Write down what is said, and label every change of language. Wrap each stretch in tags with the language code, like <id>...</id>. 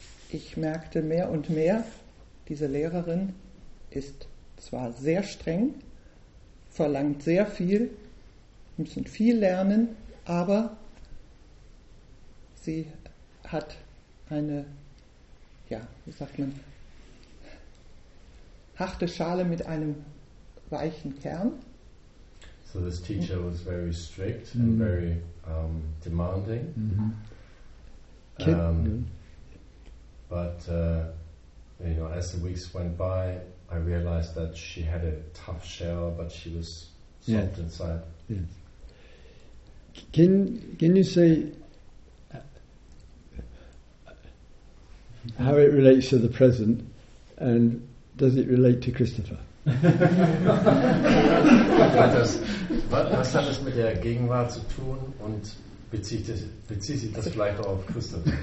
<de>ich merkte mehr und mehr, diese Lehrerin ist zwar sehr streng, verlangt sehr viel, müssen viel lernen, aber sie hat eine, ja, wie sagt man, harte Schale mit einem weichen Kern.</de> <en>So this teacher was very strict and very demanding. But you know, as the weeks went by, I realized that she had a tough shell, but she was soft inside. Yes. Can you say how it relates to the present, and does it relate to Christopher?</en> <de>Was hat das mit der Gegenwart zu tun und bezieht sich das vielleicht auch auf Christoph?</de>